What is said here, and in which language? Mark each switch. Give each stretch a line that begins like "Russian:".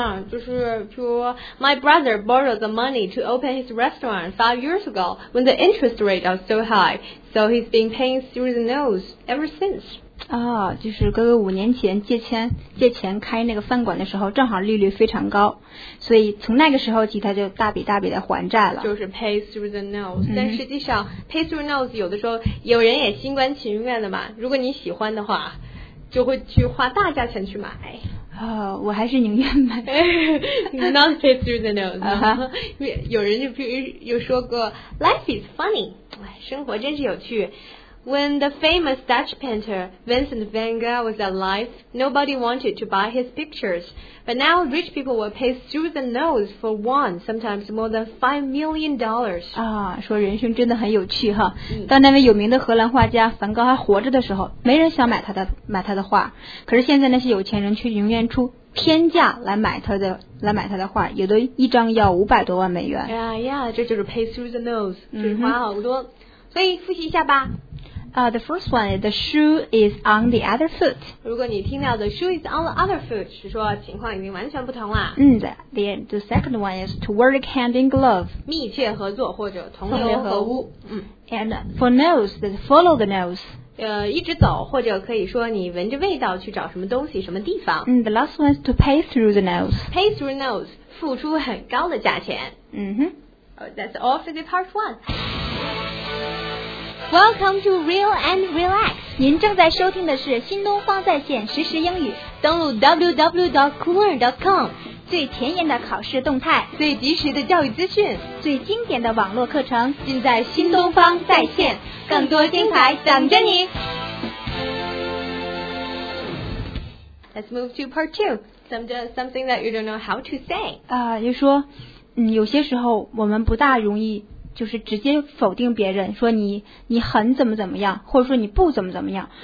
Chinese: 就是说
English: ，My brother borrowed the money to open his restaurant 5 years ago when the interest rate was so high, so he's been paying through the nose ever since。
Chinese: 就是哥哥5年前借钱开那个饭馆的时候，正好利率非常高，所以从那个时候起他就大笔大笔的还债了，就是
English: pay through the nose。
Chinese: 但实际上
English: pay through nose
Chinese: 有的时候有人也心甘情愿的嘛，如果你喜欢的话就会去花大价钱去买。我还是宁愿买。
English: Not pay through the nose、
Chinese: 有人就有说过
English: life is funny，
Chinese: 生活真是有趣。
English: When the famous Dutch painter Vincent van Gogh was alive, nobody wanted to buy his pictures. But now rich people will pay through the nose for one, sometimes more than $5 million.
Chinese: 说人生真的很有趣哈。当那位有名的荷兰画家梵高还活着的时候，没人想买他的画。可是现在那些有钱人却宁愿出天价来买他的画，有的一张要500多万美元。
English: Yeah,
Chinese: 这就是
English: pay through the nose，
Chinese: 就是花好多。所以复习一下吧。
English: The first one, the shoe is on the other foot.
Chinese: 如果你听到
English: the shoe is on the other foot,
Chinese: 是说情况已经完全不同了。
English: The second one is to work hand in glove.
Chinese: 密切合作或者同流合污。
English: And for nose, that's follow the nose.
Chinese: 一直走或者可以说你闻着味道去找什么东西什么地方。
English: The last one is to pay through the nose. Pay through nose,
Chinese: 付出很高的价钱。
English: That's all for the part one. Welcome to Real and Relax.
Chinese: 您正在收听的是新东方在线实时英语。登录 www.cooler.com， 最前沿的考试动态，最及时的教育资讯，最经典的网络课程，尽在新东方在线。更多精彩等着你。
English: Let's move to part two. Something that you don't know how to say.
Chinese: 就说，有些时候我们不大容易。就是直接否定别人，说你很怎么怎么样，或者说你不怎么怎么样。